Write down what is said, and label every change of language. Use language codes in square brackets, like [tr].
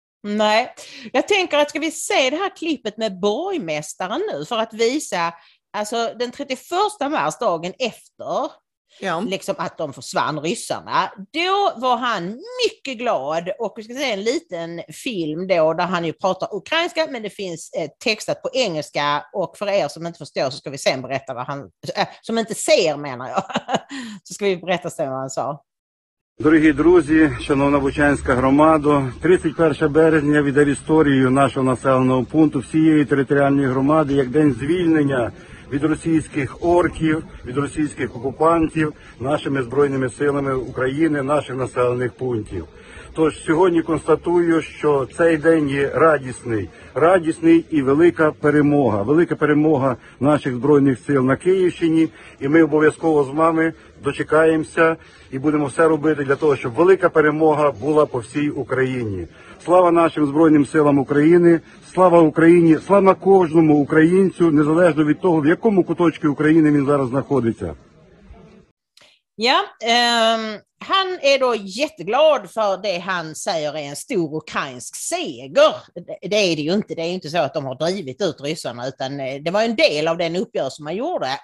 [sv] Nej, jag tänker att ska vi se det här klippet med borgmästaren nu för att visa, alltså den 31 mars, dagen efter liksom att de försvann ryssarna, då var han mycket glad, och vi ska se en liten film då där han ju pratar ukrainska, men det finns textat på engelska, och för er som inte förstår så ska vi sen berätta vad han, som inte ser menar jag, så ska vi berätta sen vad han sa. [uk] Дорогі друзі, шановна бучанська громада, 31 березня віддав історію нашого населеного пункту всієї територіальної громади як день звільнення від російських орків, від російських окупантів нашими збройними силами України, наших населених пунктів. Тож сьогодні констатую, що цей день є радісний, радісний і велика перемога наших збройних сил на Київщині, і ми обов'язково з вами дочекаємося і будемо все робити для того, щоб велика перемога була по всій Україні. Слава нашим Збройним силам України, слава Україні, слава кожному українцю, незалежно від того, в якому куточку України він зараз знаходиться. [sv] Ja, han är då jätteglad för det han säger är en stor ukrainsk seger. Det är det ju inte. Det är inte så att de har drivit ut ryssarna, utan det var en del av den uppgörelse som man gjorde.